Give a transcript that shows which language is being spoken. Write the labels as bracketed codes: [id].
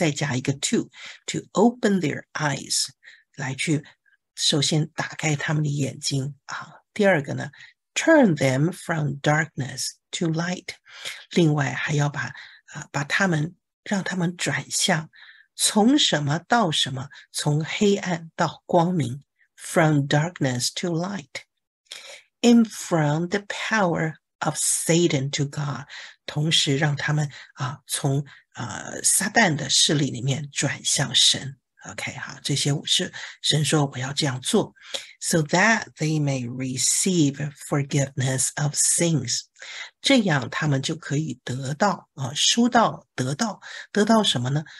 [zh] 再加一个 [en] to open their eyes， [zh] 来去首先打开他们的眼睛啊。第二个呢？ [en] Turn them from darkness to light. [zh] 另外还要把他们让他们转向，从什么到什么，从黑暗到光明。 [en] From darkness to light, and from the power of Satan to God. [zh] 同时让他们从撒旦的势力里面转向神。 OK 好，这些是神说我要这样做， [en] so that they may receive forgiveness of sins， [zh] 这样他们就可以得到啊，收到得到什么呢？